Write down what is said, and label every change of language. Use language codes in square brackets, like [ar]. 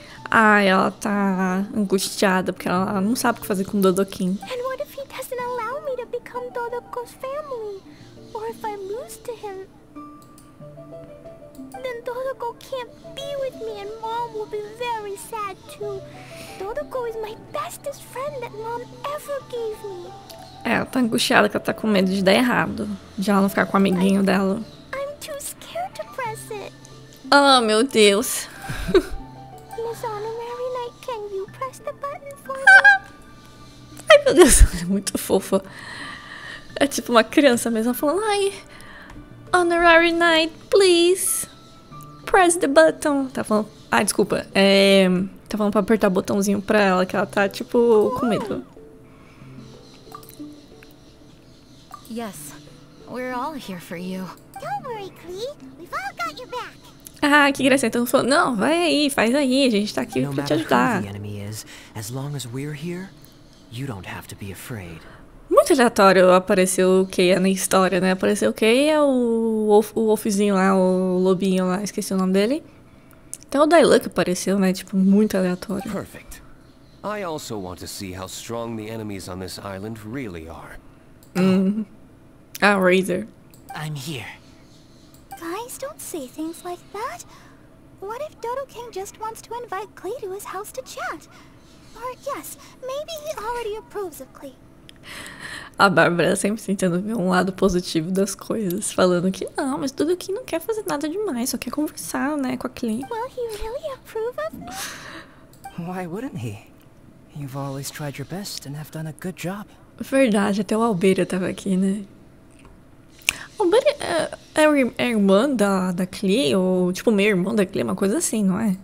[pt] Ai, ela tá angustiada porque ela não sabe o que fazer com o Dodokin. [en] And what if he doesn't allow me to become Dodokin's family? Or if I lose to him? Then Dodoko can't be with me and mom will be very sad too. Dodoko is my bestest friend that mom ever gave me. [pt] É, ela tá angustiada que ela tá com medo de dar errado. De ela não ficar com o amiguinho dela. [en] I'm too scared to press it. [pt] Oh, meu Deus. [en] Miss Honorary Knight, can you press the button for me? [pt] Ai, meu Deus, é muito fofa. É tipo uma criança mesmo falando, ai, Honorary Knight, please. [en] Press the button. [pt] Tá falando... Ah, desculpa. É... Tá falando pra apertar o botãozinho pra ela, que ela tá, tipo, com medo. [en] Yes. We're all here for you. Don't worry, Clee. We've all got your back. [pt] Ah, que gracinha. Então ela falou, não, vai aí, faz aí. A gente tá aqui pra te ajudar. [en] As long as we're here, you don't have to be afraid. [pt] Muito aleatório apareceu o Keia na história, né? Apareceu o Keia, o Wolfzinho lá, o Lobinho lá, esqueci o nome dele. Então o Dailuk apareceu, né? Tipo, muito aleatório. [en] Perfect. I also want to see how strong the enemies on this island really are. Ah, Razor. I'm here. Guys, don't say things like that. What if Dodokin just wants to invite Clee to his house to chat? Or yes, maybe he already approves of Clee. [pt] A Bárbara sempre tentando ver um lado positivo das coisas, falando que não, mas tudo aqui não quer fazer nada demais, só quer conversar, né, com a Clee. [en] Well, he really approve of me. Why wouldn't he? You've always tried your best and have done a good job. [pt] Verdade, até o Albeira tava aqui, né? Albeira é irmã da Clee, ou tipo meio irmão da Clee, uma coisa assim, não é?